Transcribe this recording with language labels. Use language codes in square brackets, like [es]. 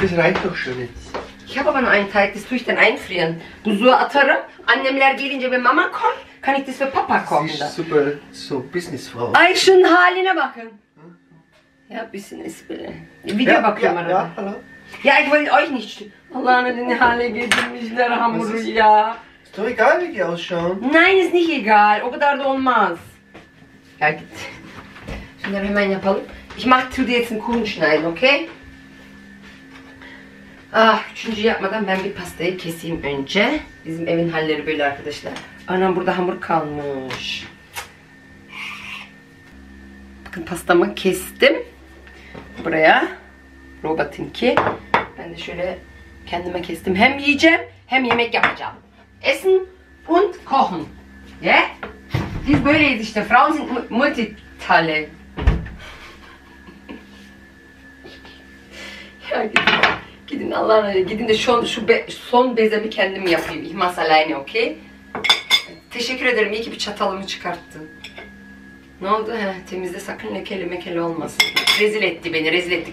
[de] Das reicht doch schon jetzt. Ich habe aber nur einen Teig, das tue ich dann einfrieren. Und [tr] so atarım. Annemler gelince, [de] wenn Mama kommt, kann ich das für Papa kochen. Sie ist super, so Businessfrau. [tr] Ayşe'nin haline bakın. [de] Ja, Business, bitte. [tr] Video bakıyorum arada. [de] Ja, ich wollte euch nicht stören. [tr] Allah'ın adını hale getirmişler hamuru ya. [de] Ist doch egal, wie die ausschauen. Nein, ist nicht egal. [tr] O kadar da olmaz. Ja, git. Şunları hemen yapalım. [de] Ich mach dir jetzt einen Kuchen schneiden, okay? [tr] Ah, üçüncü yapmadan ben bir pastayı keseyim önce. Bizim evin halleri böyle arkadaşlar. Anam burada hamur kalmış. Bakın pastamı kestim. Buraya. Robotinki. Ben de şöyle kendime kestim. Hem yiyeceğim hem yemek yapacağım. [de] Essen und kochen. [tr] Ye? Yeah? Biz böyleyiz işte. [de] Frauen sind multitalent. [tr] Ya gidin Allah'ın adıyla. Gidin de son bezemi kendim yapayım. İhmas alayne, okey? Teşekkür ederim. İyi ki bir çatalımı çıkarttın. Ne oldu? Heh, temizle sakın lekeli mekeli olmasın. Rezil etti beni, rezil etti.